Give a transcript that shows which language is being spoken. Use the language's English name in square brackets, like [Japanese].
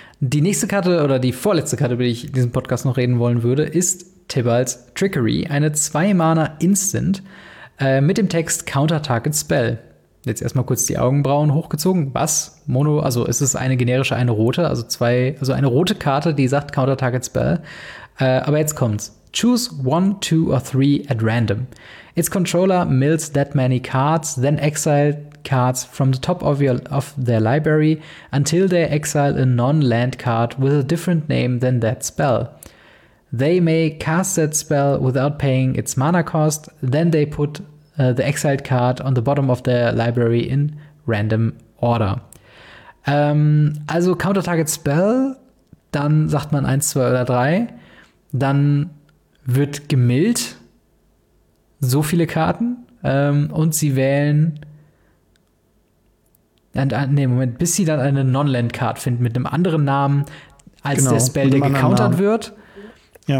[German] Die nächste Karte oder die vorletzte Karte, über die ich in diesem Podcast noch reden wollen würde, ist Tibalt's Trickery. Eine 2-Mana-Instant mit dem Text Counter-Target-Spell. Jetzt erstmal kurz die Augenbrauen hochgezogen. Was? Mono, also ist es eine generische, eine rote, also zwei, also eine rote Karte, die sagt Counter-Target-Spell. Aber jetzt kommt's. [English] Choose 1, 2 or 3 at random. Its controller mills that many cards, then exile cards from the top of their library until they exile a non-land card with a different name than that spell. They may cast that spell without paying its mana cost, then they put the exiled card on the bottom of their library in random order. [German] Also Counter-Target-Spell, dann sagt man 1, 2 oder 3, dann wird gemillt so viele Karten und sie wählen Nee, Moment, bis sie dann eine Non-Land-Card finden mit einem anderen Namen, als genau, der Spell, der gecountert wird. Ja.